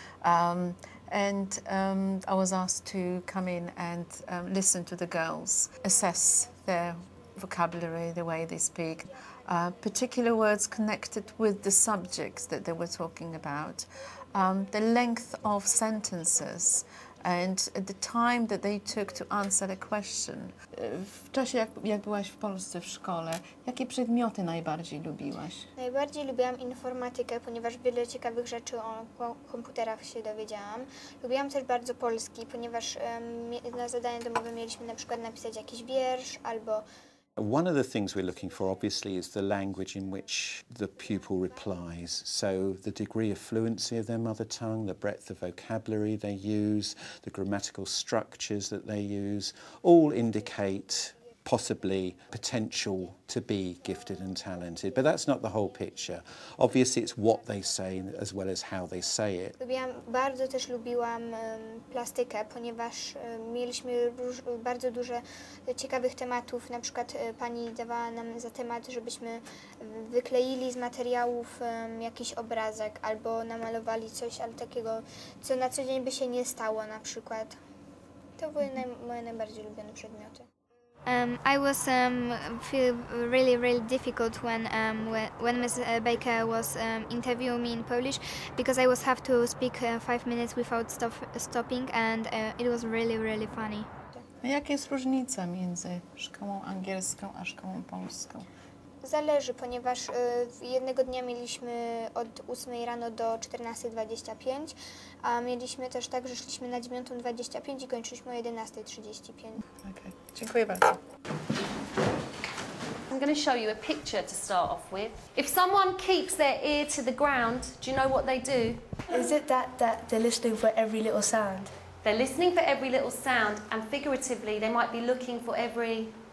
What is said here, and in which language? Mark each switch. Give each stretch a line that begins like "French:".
English: And I was asked to come in and listen to the girls, assess their vocabulary, the way they speak, particular words connected with the subjects that they were talking about, the length of sentences, and the time that they took to answer the question.
Polish: W czasie, jak byłaś w Polsce w szkole, jakie przedmioty najbardziej lubiłaś? Najbardziej lubiłam informatykę, ponieważ wiele ciekawych rzeczy o komputerach się dowiedziałam. Lubiłam też bardzo polski, ponieważ na zadanie domowe mieliśmy na przykład napisać jakiś wiersz albo...
English: One of the things we're looking for, obviously, is the language in which the pupil replies. So the degree of fluency of their mother tongue, the breadth of vocabulary they use, the grammatical structures that they use, all indicate possibly potential to be gifted and talented. But that's not the whole picture. Obviously, it's what they say as well as how they say it.
Polish: Lubiłam, bardzo też lubiłam plastykę, ponieważ mieliśmy bardzo dużo ciekawych tematów. Na przykład pani dawała nam za temat, żebyśmy wykleili z materiałów jakiś obrazek albo namalowali coś, ale takiego, co na co dzień by się nie stało na przykład. To były moje najbardziej ulubione przedmioty.
English: I was feel really, really difficult when Ms. Baker was interviewing me in Polish, because I was have to speak 5 minutes without stopping, and it was really, really funny.
Polish: A jaka jest różnica między szkołą angielską a szkołą polską? Zależy, ponieważ jednego dnia mieliśmy od 8 rano do 14.25, a mieliśmy też tak, że szliśmy na 9.25 i kończyliśmy o 11.35. Okay. Dziękuję bardzo.
English: I'm going to show you a picture to start off with. If someone keeps their ear to the ground, do you know what they do? Is it that they're listening for every little sound? They're listening for every little sound, and figuratively they might be looking for every...